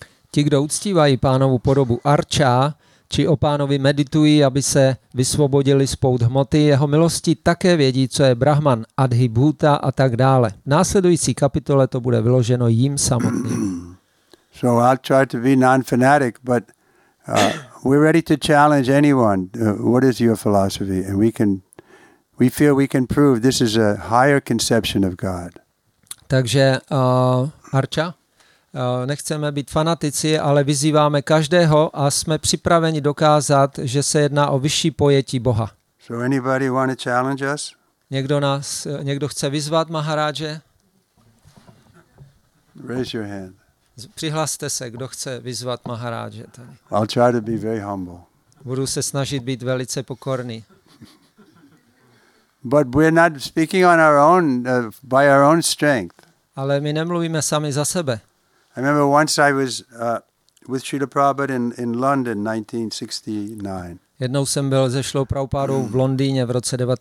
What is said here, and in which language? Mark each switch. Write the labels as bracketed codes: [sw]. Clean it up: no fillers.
[cs] Ti, kdo uctívají pánovu podobu Arča, či o pánovi meditují, aby se vysvobodili z pout hmoty, jeho milosti také vědí, co je Brahman, Adhibhuta a tak dále. V následující kapitole to bude vyloženo jim samotným. [en] So I'll try to be non-fanatic, but we're ready to challenge anyone. What is your philosophy? And we feel we can prove this is a higher conception of God. [cs] Takže, Arča, nechceme být fanatici, ale vyzýváme každého a jsme připraveni dokázat, že se jedná o vyšší pojetí Boha. [en] So anybody want to challenge us? [cs] Někdo chce vyzvat Maharáže? [en] Raise your hand. [cs] Přihlaste se, kdo chce vyzvat Maharáže tady. [en] I'll try to be very humble. [cs] Budu se snažit být velice pokorný. [en] But we're not speaking on our own by our own strength. [cs] Ale my nemluvíme sami za sebe. [en] I remember once I was with Srila Prabhupada in London 1969. [cs] Jednou jsem byl se Šrilou Prabhupádou v Londýně v roce